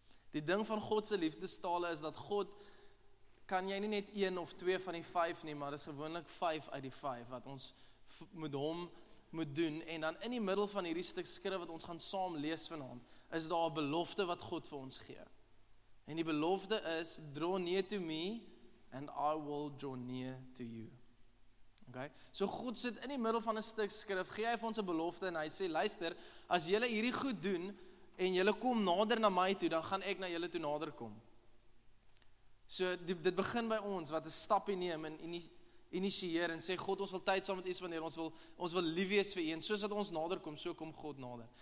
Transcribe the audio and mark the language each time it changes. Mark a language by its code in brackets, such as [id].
[af] Die ding van God se liefdestale is dat God, kan jy nie net 1 of 2 van die 5 nie, maar is gewoonlik 5 uit die 5 wat ons met hom moet doen. En dan in die middel van hierdie stuk skrif wat ons gaan saam lees vanaand, is daar 'n belofte wat God vir ons gee. En die belofte is, [en] draw near to me and I will draw near to you. Okay. [af] So God sit in die middel van 'n stuk skrif, gee hy vir ons 'n belofte en hy sê, luister, as julle hierdie goed doen en julle kom nader na my toe, dan gaan ek na julle toe nader kom. So dit begin by ons wat 'n stapie neem en initieer en sê, God, ons wil tyd saam met u spandeer, ons wil lief wees vir u en soos wat ons nader kom, so kom God nader.